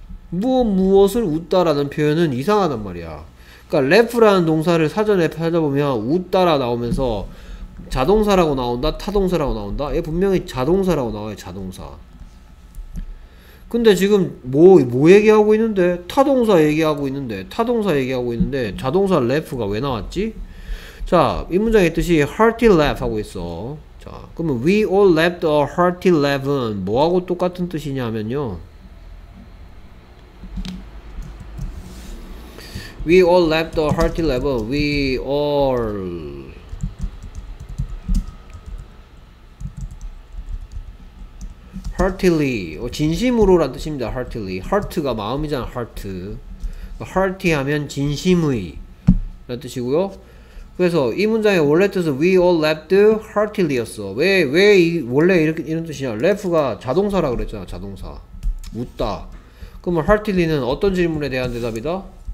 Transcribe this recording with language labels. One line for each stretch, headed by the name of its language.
Korean: 무엇 무엇을 웃다라는 표현은 이상하단 말이야. 그러니까 laugh라는 동사를 사전에 찾아보면 웃다라 나오면서 자동사라고 나온다? 타동사라고 나온다? 얘 분명히 자동사라고 나와요. 자동사. 근데 지금 뭐 얘기하고 있는데? 타동사 얘기하고 있는데? 타동사 얘기하고 있는데 자동사 laugh가 왜 나왔지? 자, 이 문장의 뜻이 hearty laugh 하고 있어. 자, 그러면
English: we all laughed a hearty laugh은
Korean: 뭐하고 똑같은 뜻이냐면요,
English: we all laughed a hearty laugh, we all heartily,
Korean: 진심으로 라는 뜻입니다. heartily, heart가 마음이잖아. heart, hearty 하면 진심의 라는 뜻이고요. 그래서 이 문장의 원래 뜻은
English: we all laughed heartily
Korean: 였어. 왜 이, 원래 이렇게 이런 뜻이냐, laugh가 자동사라 그랬잖아. 자동사, 웃다. 그러면 heartily는 어떤 질문에 대한 대답이다?